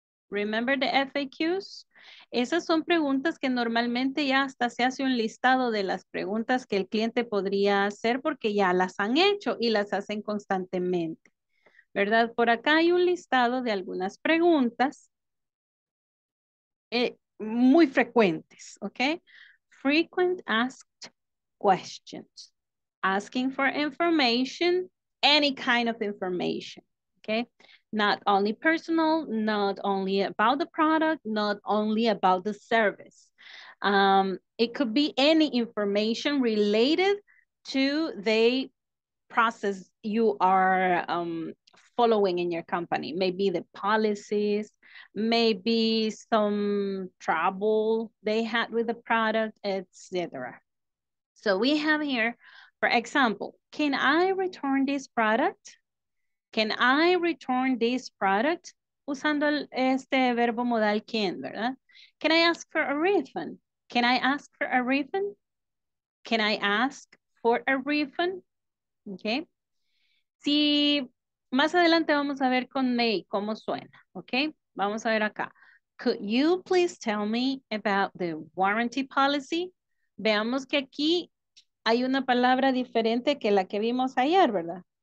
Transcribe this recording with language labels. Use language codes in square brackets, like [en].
[en] Remember the FAQs? [es] Esas son preguntas que normalmente ya hasta se hace un listado de las preguntas que el cliente podría hacer porque ya las han hecho y las hacen constantemente, ¿verdad? Por acá hay un listado de algunas preguntas muy frecuentes, ¿ok? [en] Frequent asked questions. asking for information, any kind of information, okay? Not only personal, not only about the product, not only about the service. It could be any information related to the process you are following in your company. Maybe the policies, maybe some trouble they had with the product, etc. So we have here, for example, can I return this product? Can I return this product? [es] Usando este verbo modal can, ¿verdad? [en] Can I ask for a refund? Can I ask for a refund? Can I ask for a refund? Okay. [es] Si más adelante vamos a ver con may, cómo suena. Okay. Vamos a ver acá. [en] Could you please tell me about the warranty policy? [es] Veamos que aquí hay una palabra diferente que la que vimos ayer, ¿verdad?